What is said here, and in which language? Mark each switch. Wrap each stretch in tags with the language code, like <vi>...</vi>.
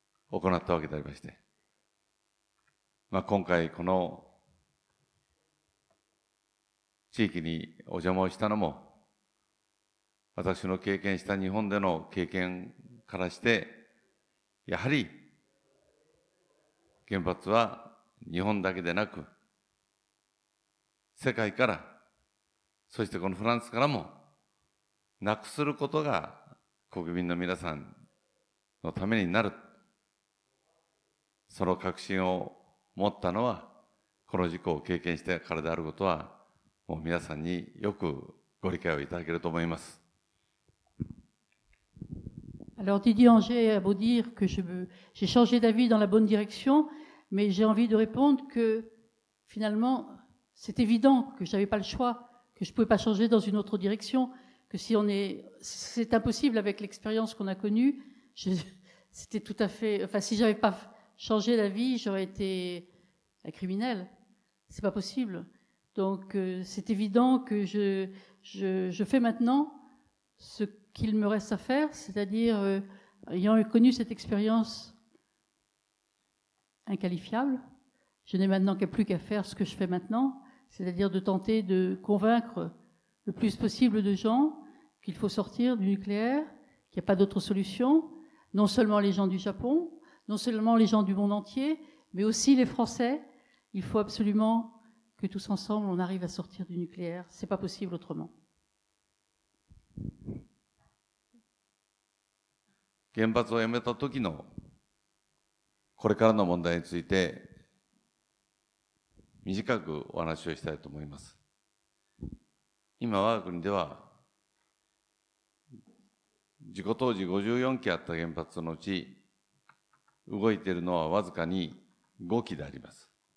<ja>を行ったわけでありまして、まあ今回この地域にお邪魔をしたのも、私の経験した日本での経験からして、やはり原発は日本だけでなく、世界から、そしてこのフランスからも、なくすることが国民の皆さんのためになる。その確信を持ったのは、この事故を経験したからであることは、もう皆さんによくご理解をいただけると思います。</ja> <fr>Alors Didier Anger a beau dire que j'ai changé d'avis dans la bonne direction, mais j'ai envie de répondre que finalement c'est évident que j'avais pas le choix, que je pouvais pas changer dans une autre direction, que si on est, c'est impossible avec l'expérience qu'on a connue. C'était tout à fait, enfin si j'avais pas changé d'avis, j'aurais été un criminel. C'est pas possible. Donc c'est évident que je fais maintenant ce qu'il me reste à faire, c'est-à-dire ayant connu cette expérience inqualifiable, je n'ai maintenant plus qu'à faire ce que je fais maintenant, c'est-à-dire de tenter de convaincre le plus possible de gens qu'il faut sortir du nucléaire, qu'il n'y a pas d'autre solution, non seulement les gens du Japon, non seulement les gens du monde entier, mais aussi les Français. Il faut absolument que tous ensemble on arrive à sortir du nucléaire. C'est pas possible autrement.</fr> <ja>原発をやめた時のこれからの問題について短くお話をしたいと思います。今我が国では事故当時54基あった原発のうち動いているのはわずかに5基であります。</ja>